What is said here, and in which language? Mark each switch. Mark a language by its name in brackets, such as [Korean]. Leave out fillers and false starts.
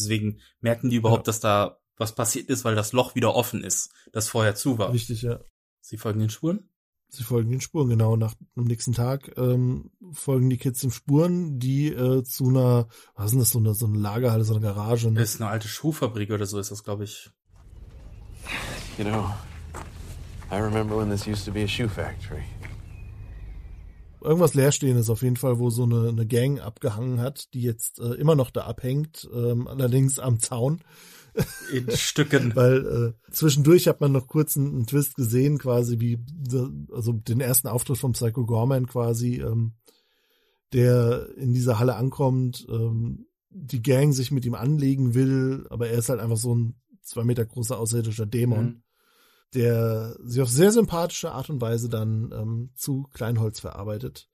[German] Deswegen merken die überhaupt, dass da was passiert ist, weil das Loch wieder offen ist, das vorher zu war. Richtig, ja. Sie folgen den Spuren? Sie folgen den Spuren, genau. Am nächsten Tag folgen die Kids den Spuren, die zu einer, was ist denn das, so eine Lagerhalle, so eine Garage. Ne? Das ist eine alte Schuhfabrik oder so ist das, glaube ich. [English] You know, I remember when this used to be a shoe factory. [German] Irgendwas Leerstehendes auf jeden Fall, wo so eine Gang abgehangen hat, die jetzt immer noch da abhängt, allerdings am Zaun. In Stücken. Weil zwischendurch hat man noch kurz einen Twist gesehen, quasi wie also den ersten Auftritt von Psycho Gorman quasi, der in dieser Halle ankommt, die Gang sich mit ihm anlegen will, aber er ist halt einfach so ein 2 Meter großer außerirdischer Dämon, der sie auf sehr sympathische Art und Weise dann zu Kleinholz verarbeitet.